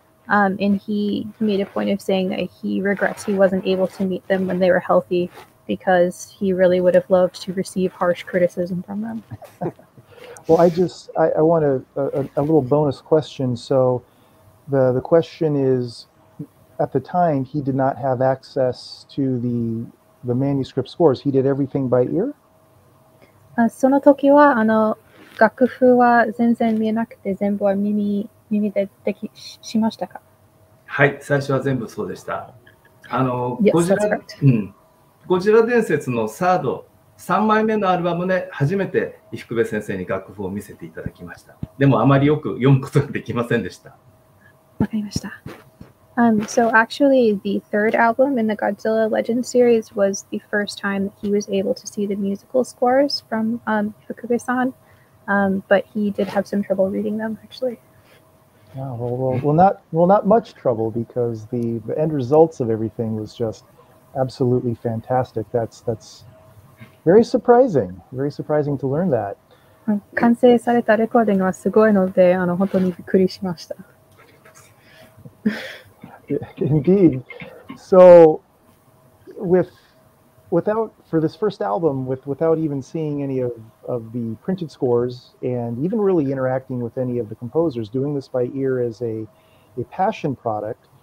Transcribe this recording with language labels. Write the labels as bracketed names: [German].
[English] And he made a point of saying that he regrets he wasn't able to meet them when they were healthy, because he really would have loved to receive harsh criticism from them. Well, I want a little bonus question. So the question is, at the time, he did not have access to the manuscript scores. He did everything by ear? [Japanese] その時は、あの、楽譜は全然見えなくて、全部は耳でできしましたか？はい、最初は全部そうでした。あの、 [English] Yes, that's right. [Japanese] うん。ゴジラ伝説のサード3枚目のアルバムで、ね、初めて伊福部先生に楽譜を見せていただきました。でもあまりよく読むことができませんでした。わかりました。 [English] So actually the third album in the Godzilla Legend series was the first time that he was able to see the musical scores from Ifukube-san, but he did have some trouble reading them actually. Yeah, well, not much trouble, because the end results of everything was just absolutely fantastic. That's very surprising to learn that. [Japanese] 完成されたレコーディングはすごいので、あの、本当にびっくりしました。 [English] Indeed. So without even seeing any of the printed scores and even really interacting with any of the composers, doing this by ear as a passion project.